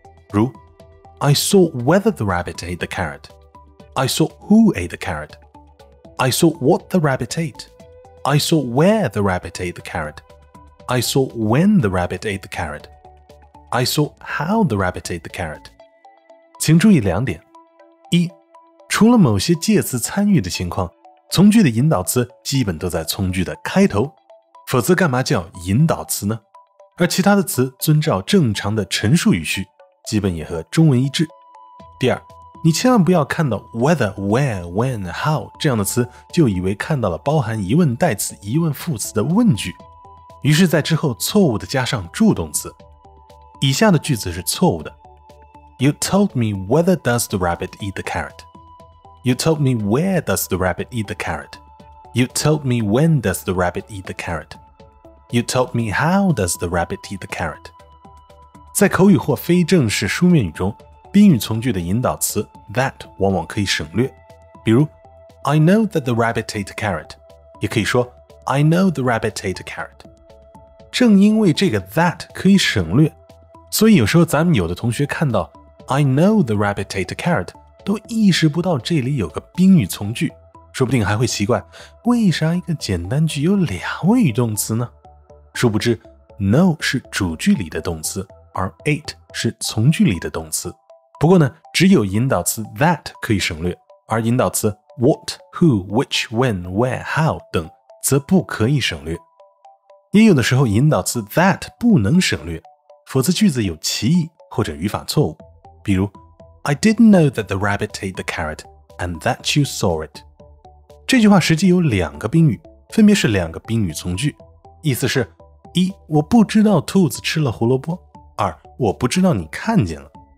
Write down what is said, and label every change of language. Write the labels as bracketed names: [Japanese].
[Chinese] 如 [English] I saw whether the rabbit ate the carrot， I saw who ate the carrot， I saw what the rabbit ate， I saw where the rabbit ate the carrot。 I saw when the rabbit ate the carrot. I saw how the rabbit ate the carrot. [Chinese] 请注意两点。一，除了某些介词参与的情况，从句的引导词基本都在从句的开头，否则干嘛叫引导词呢？而其他的词遵照正常的陈述语序，基本也和中文一致。第二，你千万不要看到 whether, where, when, how 这样的词，就以为看到了包含疑问代词、疑问副词的问句，于是在之后错误地加上助动词。以下的句子是错误的。 [English] You told me whether does the rabbit eat the carrot? You told me where does the rabbit eat the carrot? You told me when does the rabbit eat the carrot? You told me how does the rabbit eat the carrot? [Chinese] 在口语或非正式书面语中，宾语从句的引导词 that 往往可以省略。比如 [English] I know that the rabbit ate a carrot， [Chinese] 也可以说 [English] I know the rabbit ate a carrot。 [Chinese] 正因为这个 that 可以省略，所以有时候咱们有的同学看到 [English] I know the rabbit ate a carrot [Chinese] 都意识不到这里有个宾语从句，说不定还会奇怪为啥一个简单句有两位语动词呢。殊不知 know 是主句里的动词，而 ate 是从句里的动词。不过呢，只有引导词 that 可以省略，而引导词 what, who, which, when, where, how 等则不可以省略。也有的时候引导词 that 不能省略，否则句子有歧义或者语法错误。比如 [English] I didn't know that the rabbit ate the carrot and that you saw it。 [Chinese] 这句话实际有两个宾语，分别是两个宾语从句，意思是一，我不知道兔子吃了胡萝卜；二，我不知道你看见了。